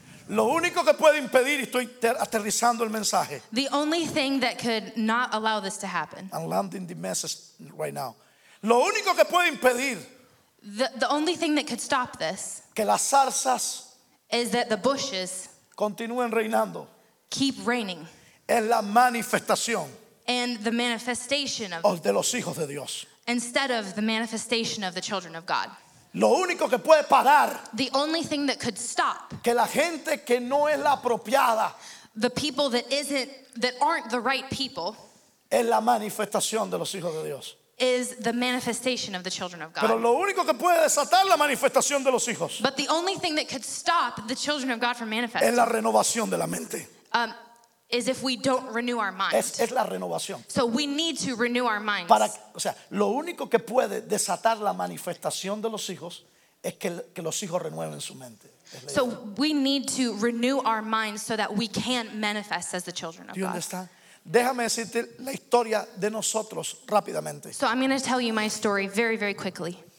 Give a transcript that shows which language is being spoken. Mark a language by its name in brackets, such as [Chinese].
[Spanish] Lo único que puede impedir, y estoy aterrizando el mensaje. [English] The only thing that could not allow this to happen. I'm landing the message right now. [Spanish] Lo único que puede impedir, [English] the only thing that could stop this, [Spanish] que las zarzas, [English] is that the bushes [Spanish] continúen reinando, [English] keep reigning, [Spanish] es la manifestación, [English] and the manifestation of [Spanish] de los hijos de Dios, [English] instead of the manifestation of the children of God. [Spanish] Lo único que puede parar, [English] the only thing that could stop, [Spanish] que la gente que no es la apropiada, [English] the people that isn't, that aren't the right people, [Spanish] es la manifestación de los hijos de Dios. [English] Is the manifestation of the children of God. [Spanish] Pero lo único que puede desatar la manifestación de los hijos, [English] but the only thing that could stop the children of God from manifesting, [Spanish] es la renovación de la mente. [English] Is if we don't renew our mind. [Spanish] Es la renovación. [English] So we need to renew our minds. [Spanish] Para, o sea, lo único que puede desatar la manifestación de los hijos es que los hijos renueven su mente. [English] So we need to renew our minds so that we can manifest as the children of God. [Spanish] Déjame decirte la historia de nosotros rápidamente. [English] So I'm going to tell you my story very, very quickly.